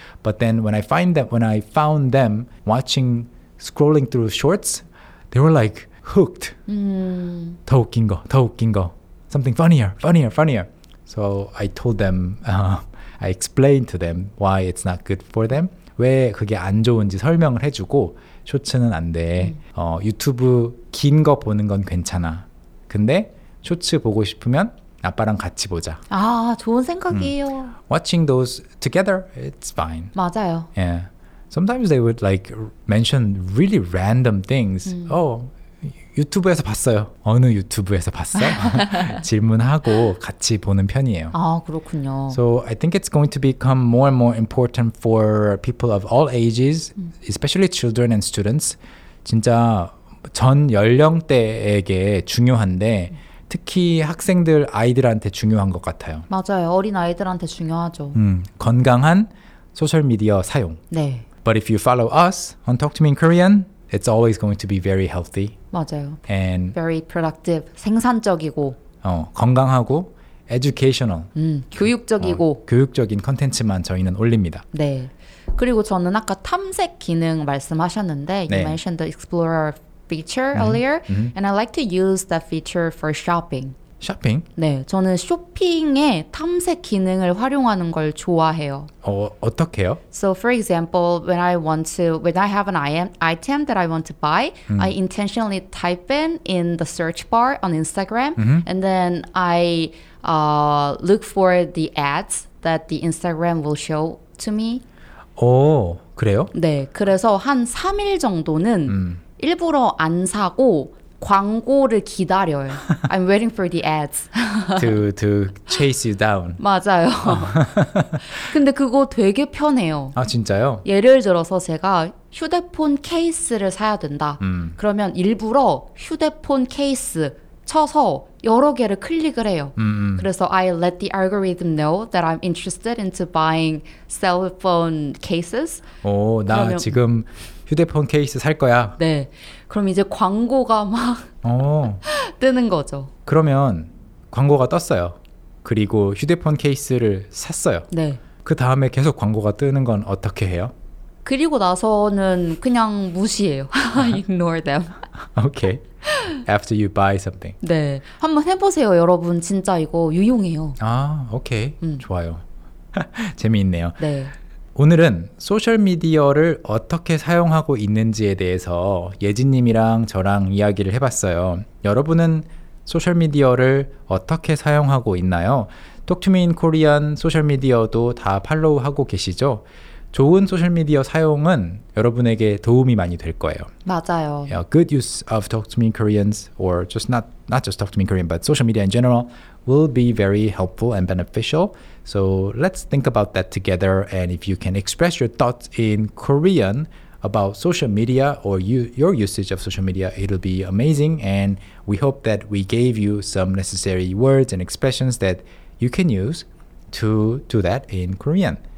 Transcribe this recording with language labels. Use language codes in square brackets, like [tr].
[en] But then when I found them watching, scrolling through shorts, they were like hooked. [ko] 더 웃긴 거, 더 웃긴 거. [en] Something funnier, funnier, funnier. So I told them, I explained to them why it's not good for them. [ko] 왜 그게 안 좋은지 설명을 해주고 쇼츠는 안 돼. 유튜브 긴 거 보는 건 괜찮아. 근데 쇼츠 보고 싶으면 아빠랑 같이 보자. 아, 좋은 생각이에요. [en] Watching those together, it's fine. [ko] 맞아요. [en] Yeah. Sometimes they would like mention really random things. [ko] 유튜브에서 봤어요. 어느 유튜브에서 봤어? 질문하고 같이 보는 편이에요. 아, 그렇군요. [en] So I think it's going to become more and more important for people of all ages, especially children and students. [ko] 진짜 전 연령대에게 중요한데 특히 학생들, 아이들한테 중요한 것 같아요. 맞아요. 어린 아이들한테 중요하죠. 건강한 소셜미디어 사용. 네. [en] But if you follow us on Talk to Me in Korean, it's always going to be very healthy. [ko] 맞아요. [en] And very productive, [ko] 생산적이고 건강하고 educational. 교육적이고 교육적인 콘텐츠만 저희는 올립니다. 네. 그리고 저는 아까 탐색 기능 말씀하셨는데 네. [en] You mentioned the explorer feature earlier. And I like to use that feature for shopping. [ko] 쇼핑? 네. 저는 쇼핑에 탐색 기능을 활용하는 걸 좋아해요. 어떻게요? [en] So for example, when I have an item that I want to buy, I intentionally type in the search bar on Instagram and then I look for the ads that the Instagram will show to me. [ko] 오, 그래요? 네. 그래서 한 3일 정도는 일부러 안 사고 광고를 기다려요. [en] I'm waiting for the ads. to chase you down. [ko] 맞아요. 근데 그거 되게 편해요. 아, 진짜요? 예를 들어서 제가 휴대폰 케이스를 사야 된다. 그러면 일부러 휴대폰 케이스 쳐서 여러 개를 클릭을 해요. [en] 그래서 I let the algorithm know that I'm interested into buying cell phone cases. [ko] 오, 나 지금 휴대폰 케이스 살 거야. 네. 그럼 이제 광고가 막 뜨는 거죠. 그러면 광고가 떴어요. 그리고 휴대폰 케이스를 샀어요. 네. 그 다음에 계속 광고가 뜨는 건 어떻게 해요? 그리고 나서는 그냥 무시해요. [en] Ignore them. Okay. After you buy something. [ko] 네. 한번 해보세요, 여러분. 진짜 이거 유용해요. 아, 오케이. 좋아요. 재미있네요. 네. 오늘은 소셜미디어를 어떻게 사용하고 있는지에 대해서 예진님이랑 저랑 이야기를 해봤어요. 여러분은 소셜미디어를 어떻게 사용하고 있나요? Talk to me in Korean 소셜미디어도 다 팔로우하고 계시죠? 좋은 소셜미디어 사용은 여러분에게 도움이 많이 될 거예요. 맞아요. [en] Yeah, good use of Talk to Me in Koreans or just not just Talk to Me in Korean but social media in general will be very helpful and beneficial. So let's think about that together and if you can express your thoughts in Korean about social media or your usage of social media, it'll be amazing and we hope that we gave you some necessary words and expressions that you can use to do that in Korean.